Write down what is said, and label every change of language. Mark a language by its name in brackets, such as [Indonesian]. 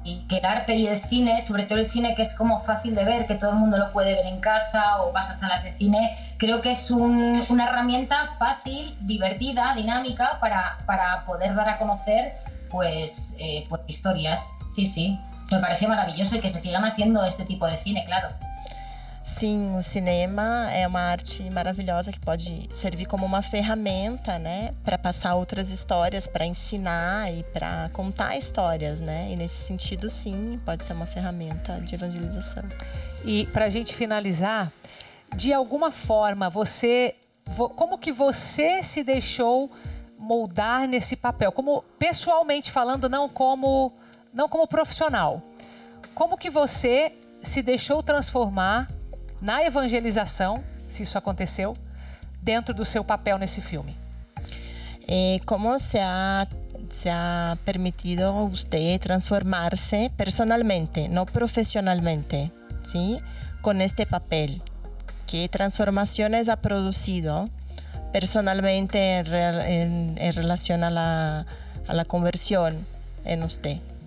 [Spanish] que el arte y el cine, sobre todo el cine que es como fácil de ver, que todo el mundo lo puede ver en casa o vas a salas de cine, creo que es una herramienta fácil, divertida, dinámica para poder dar a conocer pues historias. Sí, sí, me parece maravilloso y que se sigan haciendo este tipo de cine, claro. [Portuguese] Sim, o cinema é uma arte maravilhosa que pode servir como uma ferramenta, né, para passar outras histórias, para ensinar e para contar histórias, né? E nesse sentido, sim, pode ser uma ferramenta de evangelização. E para a gente finalizar, de alguma forma, você, como que você se deixou moldar nesse papel? Como pessoalmente falando, não como profissional. Como que você se deixou transformar na evangelização, se isso aconteceu, dentro do seu papel nesse filme? [Spanish] E como se ha permitido usted transformarse personalmente, no profesionalmente, ¿sí? Con este papel? ¿Qué transformaciones ha producido personalmente en relación a la conversión en usted?